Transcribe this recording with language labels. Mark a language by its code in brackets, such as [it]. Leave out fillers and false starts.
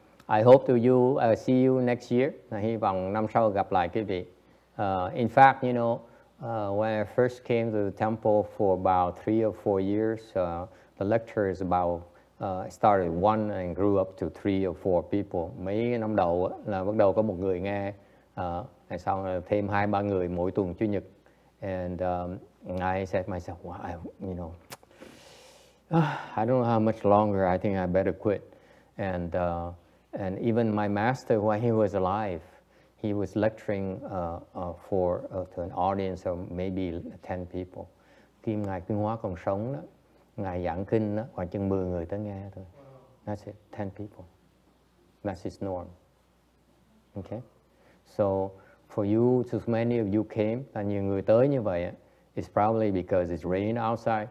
[en] I hope to you see you next year. [vi] Hy vọng năm sau gặp lại quý vị. [en] In fact, you know, when I first came to the temple for about 3 or 4 years, the lecture is about started one and grew up to 3 or 4 people. [vi] Mấy năm đầu là bắt đầu có một người nghe, and sau thêm 2-3 người mỗi tuần chủ nhật. [en] And I said to myself, wow, I don't know how much longer. I think I better quit. And even my master, when he was alive, he was lecturing to an audience of maybe 10 people. [vi] Khi ngài Kinh Hóa còn sống đó, ngài giảng kinh đó, khoảng chừng 10 người tới nghe thôi. [en] That's it, 10 people. That's his norm. Okay? So for you, since many of you came, [vi] là nhiều người tới như vậy, [en] it's probably because it's raining outside.